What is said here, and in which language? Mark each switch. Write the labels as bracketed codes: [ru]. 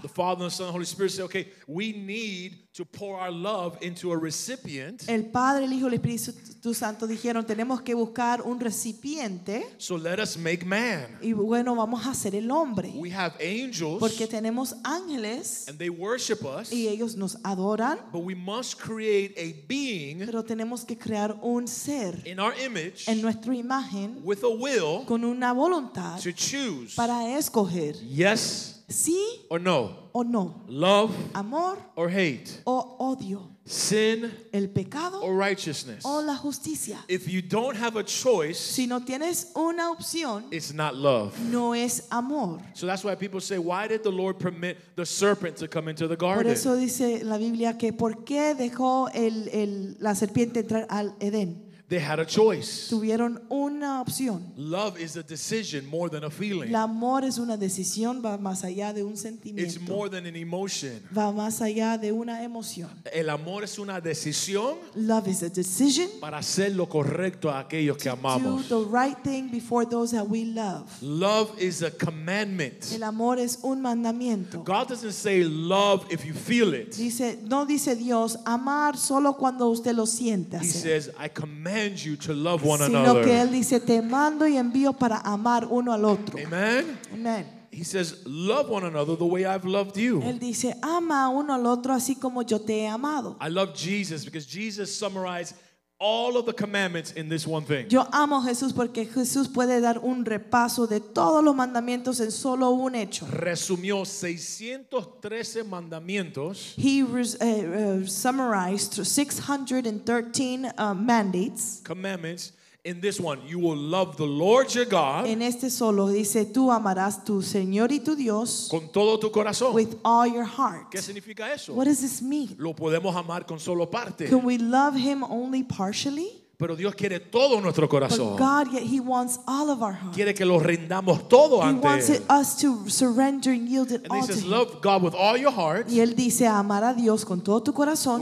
[en] The Father, the Son, and the Holy Spirit say, okay, we need to pour our love into a recipient. [es] El Padre, el Hijo, el Espíritu Santo dijeron, tenemos que buscar un recipiente. [en] So let us make man. [es] Y bueno, vamos a hacer el hombre. [en] We have angels. [es] Porque tenemos ángeles. [en] And they worship us. [es] Y ellos nos adoran. [en] But we must create a being. [es] Pero tenemos que crear un ser. [en] In our image. [es] En nuestra imagen. [en] With a will. [es] Con una voluntad. [en] To choose. [es] Para escoger. [en] Yes. [es] Sí. [en] Or no. [es] O no. [en] Love, [es] amor, [en] or hate, [es] o odio, [en] sin, [es] el pecado, [en] or righteousness, [es] o la justicia. [en] If you don't have a choice, [es] si no tienes una opción, [en] it's not love. [es] No es amor. [en] So that's why people say, why did the Lord permit the serpent to come into the garden? [es] Por eso dice la Biblia que por qué dejó la serpiente entrar al Edén. [en] They had a choice. [es] Tuvieron una opción. [en] Love is a decision more than a feeling. [es] El amor es una decisión, va más allá de un sentimiento. [en] It's more than an emotion. [es] Va más allá de una emoción. El amor es una decisión. [en] Love is a decision. [es] Para hacer lo correcto a aquellos que amamos. [en] To do the right thing before those that we love. Love is a commandment. [es] El amor es un mandamiento. [en] God doesn't say love if you feel it. [es] Dice, no dice Dios amar solo cuando usted lo sienta. [en] He says, I command you to love one [es] sino [en] another. [es] Que él dice, te mando y envío para amar uno al otro. [en] Amen. [es] Amen. [en] He says, love one another the way I've loved you. [es] Él dice, ama uno al otro así como yo te he amado. [en] I love Jesus because Jesus summarized all of the commandments in this one thing. [es] Yo amo a Jesús porque Jesús puede dar un repaso de todos los mandamientos en solo un hecho. Resumió 613 mandamientos. [en] He summarized 613 mandates. Commandments in this one. You will love the Lord your God. [es] En este solo dice tú amarás tu Señor y tu Dios. Con todo tu corazón. [en] With all your heart. [es] ¿Qué significa eso? [en] What does this mean? [es] Lo podemos amar con solo parte. [en] Can we love him only partially? [es] Pero Dios quiere todo nuestro corazón. [en] But God, yet he wants all of our heart. [es] Quiere que lo rendamos todo ante él. [en] He wants us to surrender and yield it all to him. And he says, love God with all your heart. [es] Y él dice, amar a Dios con todo tu corazón.